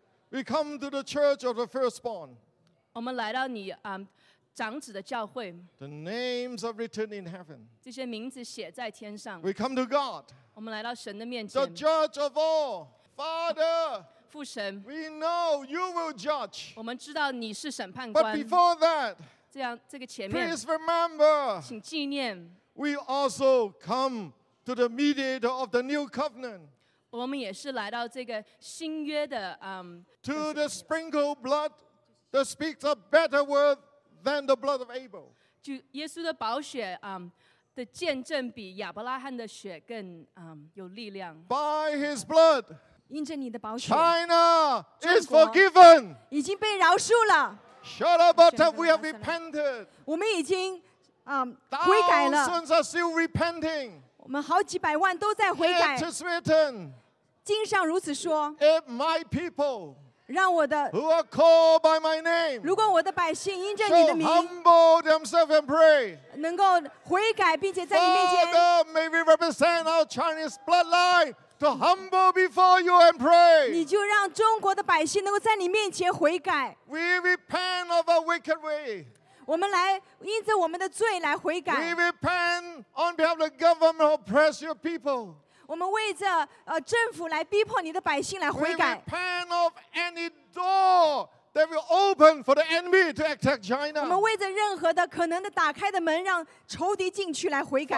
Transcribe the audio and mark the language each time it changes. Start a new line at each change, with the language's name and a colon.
English: We come to the church of the firstborn.
Chinese: 我们来到你长子的教会。
English: The names are written in heaven.
Chinese: 这些名字写在天上。
English: We come to God.
Chinese: 我们来到神的面前。
English: The judge of all. Father,
Chinese: 父神,
English: we know you will judge.
Chinese: 我们知道你是审判官。
English: But before that,
Chinese: 这样这个前面,
English: please remember,
Chinese: 请纪念,
English: we also come to the mediator of the new covenant.
Chinese: 我们也是来到这个新约的,
English: to the sprinkled blood that speaks a better word than the blood of Abel.
Chinese: 就耶稣的宝血, 的见证比亚伯拉罕的血更, 有力量。
English: By his blood,
Chinese: 因着你的宝血，
English: China is forgiven.
Chinese: 已经被饶恕了。
English: Shut up, but we have repented.
Chinese: 我们已经悔改了。
English: Thousands are still repenting.
Chinese: 我们好几百万都在悔改。
English: It is written.
Chinese: 经上如此说。
English: If my people,
Chinese: 让我的
English: who are called by my name,
Chinese: 如果我的百姓因着你的名
English: humble themselves and pray,
Chinese: 能够悔改并且在你面前
English: Father, may we represent our Chinese bloodline. To humble before you and pray.
Chinese: 你就让中国的百姓能够在你面前悔改。
English: We repent of our wicked way.
Chinese: 我们来因着我们的罪来悔改。
English: We repent on behalf of the government who oppress your people.
Chinese: 我们为着政府来逼迫你的百姓来悔改。
English: We repent of any door that will open for the enemy to attack China.
Chinese: 我们为着任何的可能的打开的门让仇敌进去来悔改。